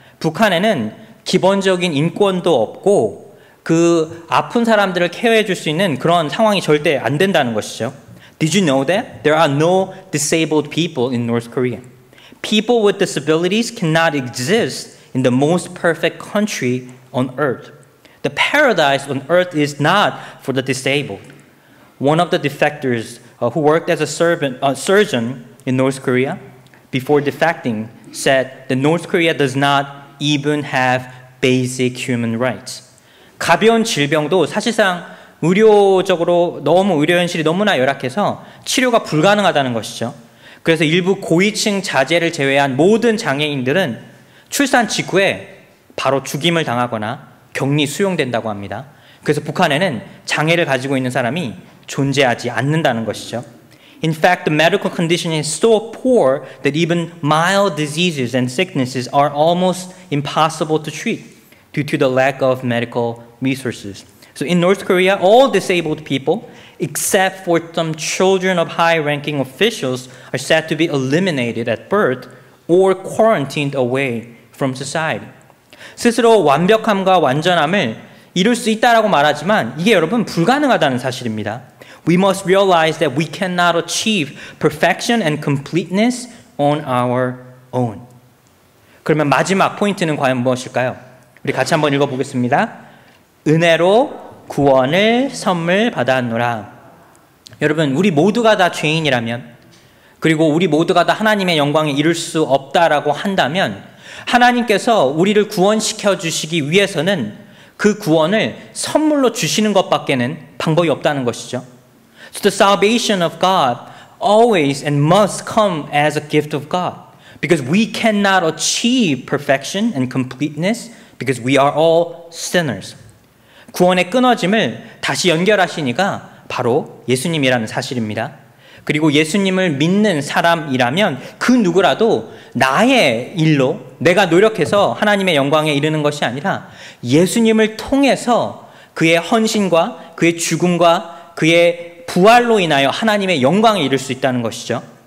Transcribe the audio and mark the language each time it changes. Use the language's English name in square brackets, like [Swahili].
[Korean] 북한에는 기본적인 인권도 없고 그 아픈 사람들을 케어해 줄 수 있는 그런 상황이 절대 안 된다는 것이죠. [English] Did you know that? There are no disabled people in North Korea. People with disabilities cannot exist in the most perfect country on earth. The paradise on earth is not for the disabled. One of the defectors who worked as a surgeon in North Korea before defecting said that North Korea does not even have basic human rights. [Korean] 가벼운 질병도 사실상 의료적으로 너무 의료 현실이 너무나 열악해서 치료가 불가능하다는 것이죠. 그래서 일부 고위층 자제를 제외한 모든 장애인들은 출산 직후에 바로 죽임을 당하거나 격리 수용된다고 합니다. 그래서 북한에는 장애를 가지고 있는 사람이 존재하지 않는다는 것이죠. [English] In fact, the medical condition is so poor that even mild diseases and sicknesses are almost impossible to treat due to the lack of medical resources. So in North Korea, all disabled people, except for some children of high-ranking officials, are said to be eliminated at birth or quarantined away from society. [Korean] 스스로 완벽함과 완전함을 이룰 수 있다라고 말하지만 이게 여러분 불가능하다는 사실입니다. [English] We must realize that we cannot achieve perfection and completeness on our own. [Korean] 그러면 마지막 포인트는 과연 무엇일까요? 우리 같이 한번 읽어보겠습니다. 은혜로 구원을 선물 받았노라. 여러분 우리 모두가 다 죄인이라면 그리고 우리 모두가 다 하나님의 영광에 이룰 수 없다라고 한다면 하나님께서 우리를 구원시켜 주시기 위해서는 그 구원을 선물로 주시는 것밖에는 방법이 없다는 것이죠. [English] So the salvation of God always and must come as a gift of God because we cannot achieve perfection and completeness because we are all sinners. [Korean] 구원의 끊어짐을 다시 연결하시니까 바로 예수님이라는 사실입니다. 그리고 예수님을 믿는 사람이라면 그 누구라도 나의 일로 내가 노력해서 하나님의 영광에 이르는 것이 아니라 예수님을 통해서 그의 헌신과 그의 죽음과 그의 부활로 인하여 하나님의 영광에 이를 수 있다는 것이죠.